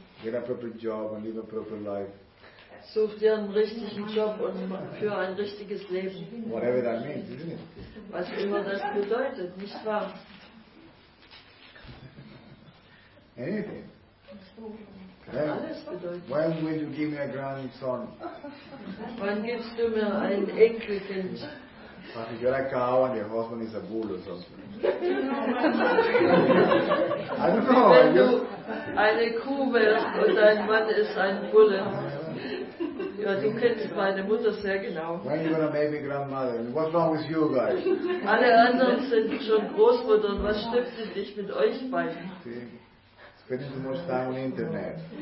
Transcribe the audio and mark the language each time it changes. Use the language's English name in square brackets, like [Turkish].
[English] Get a proper job and live a proper life. [German] Such dir einen richtigen Job und führe ein richtiges Leben. [English] Whatever that means, isn't it? [German] Was immer das bedeutet, nicht wahr? [English] Anything. Then, [German] alles bedeutet. [English] When will you give me a grandson? [German] Wann gibst du mir ein Enkelkind? [English] But if you're a cow and your husband is a bull or something. I don't know. [German] Wenn du eine Kuh wärst und dein Mann ist ein Bulle. Ja, du kennst meine Mutter sehr genau. [English] When are you gonna make me grandmother? What's wrong with you guys? [German] Alle anderen sind schon Großmutter und was stimmt denn nicht mit euch beiden? [English] See, spending too much time on the internet.